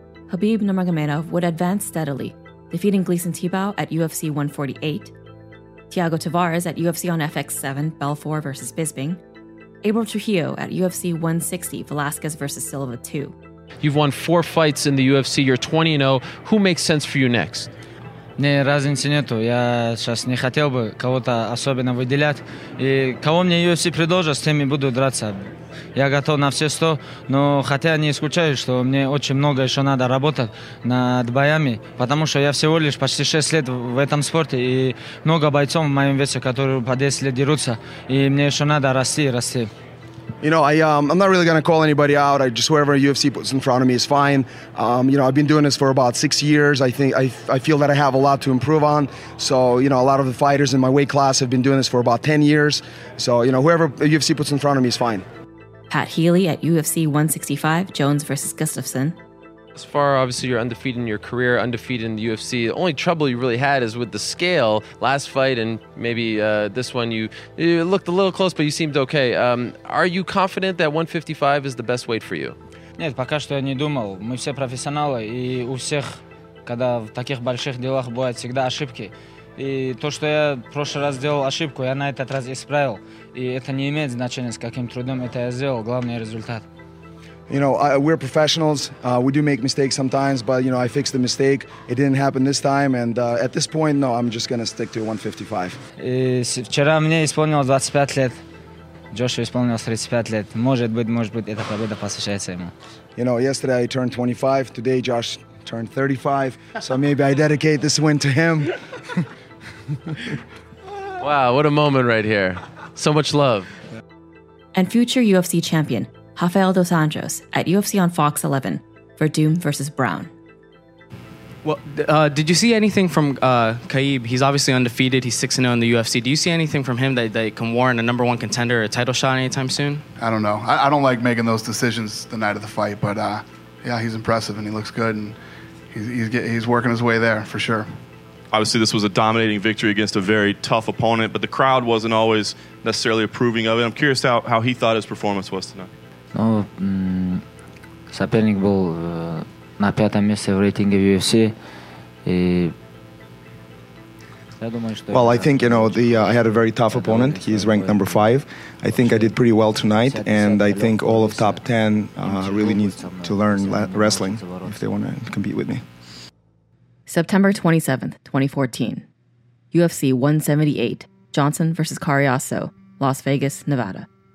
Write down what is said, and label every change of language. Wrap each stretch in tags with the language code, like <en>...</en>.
<en>Khabib Nurmagomedov would advance steadily, defeating Gleison Tibau at UFC 148, Thiago Tavares at UFC on FX7, Belfort versus Bisping, Abel Trujillo at UFC 160, Velasquez versus Silva 2. You've won four fights in the UFC, you're 20-0. Who makes sense for you next?</en> <ru>Не разницы нету. Я сейчас не хотел бы кого-то особенно выделять. И кого мне UFC предложат, с теми буду драться. Я готов на все 100, но хотя не исключаю, что мне очень много еще надо работать над боями, потому что я всего лишь почти 6 лет в этом спорте, и много бойцов в моем весе, которые по 10 лет дерутся, и мне еще надо расти и расти.</ru> <en>You know, I'm not really going to call anybody out. I just whatever UFC puts in front of me is fine. You know, I've been doing this for about 6 years. I feel that I have a lot to improve on. So, you know, a lot of the fighters in my weight class have been doing this for about 10 years. So, you know, whoever UFC puts in front of me is fine. Pat Healy at UFC 165, Jones versus Gustafson. As far, obviously, you're undefeated in your career, undefeated in the UFC. The only trouble you really had is with the scale. Last fight and maybe this one, you looked a little close, but you seemed okay. Are you confident that 155 is the best weight for you?</en> <ru>Нет, пока что я не думал. Мы все профессионалы, и у всех, когда в таких больших делах, бывают всегда ошибки. И то, что я в прошлый раз сделал ошибку, я на этот раз исправил. И это не имеет значения, с каким трудом это я сделал. Главный результат.</ru> <en>You know, we're professionals. We do make mistakes sometimes, but, you know, I fixed the mistake. It didn't happen this time. And at this point, no, I'm just going to stick to 155.</en> <ru>Вчера мне исполнилось 25 лет. Джошу исполнилось 35 лет. Может быть, эта победа посвящается ему.</ru> <en>You know, yesterday I turned 25. Today Josh turned 35. So maybe I dedicate this win to him. Wow, what a moment right here. So much love. And future UFC champion, Rafael Dos Anjos at UFC on Fox 11, Verdum versus Brown. Well, did you see anything from Khabib? He's obviously undefeated. He's 6-0 in the UFC. Do you see anything from him that can warrant a number one contender or a title shot anytime soon? I don't know. I don't like making those decisions the night of the fight, but yeah, he's impressive and he looks good, and he's working his way there for sure. Obviously, this was a dominating victory against a very tough opponent, but the crowd wasn't always necessarily approving of it. I'm curious how he thought his performance was tonight.</en> <ru>Ну, соперник был на пятом месте в рейтинге UFC, и я думаю, что...</ru> <en>Well, I think, you know, I had a very tough opponent. He's ranked number 5. I think I did pretty well tonight, and I think all of top 10 really need to learn wrestling if they want to compete with me. September 27th, 2014. UFC 178, Johnson versus Carriasso, Las Vegas, Nevada.</en>